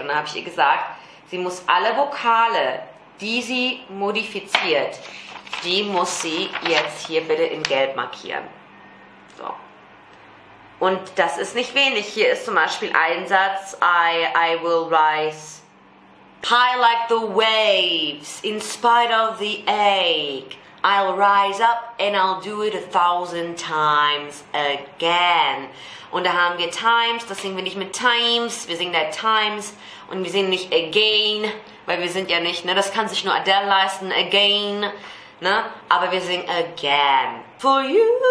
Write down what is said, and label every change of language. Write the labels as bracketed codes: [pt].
[de] Und da habe ich ihr gesagt, sie muss alle Vokale, die sie modifiziert, die muss sie jetzt hier bitte in Gelb markieren. So. Und das ist nicht wenig. Hier ist zum Beispiel ein Satz, [en] I will rise high like the waves in spite of the ache. I'll rise up and I'll do it a thousand times again. [de] Und da haben wir times, das singen wir nicht mit times, wir singen da times und wir singen nicht again, weil wir sind ja nicht, ne, das kann sich nur Adele leisten, again, ne, aber wir singen again. [en] For you.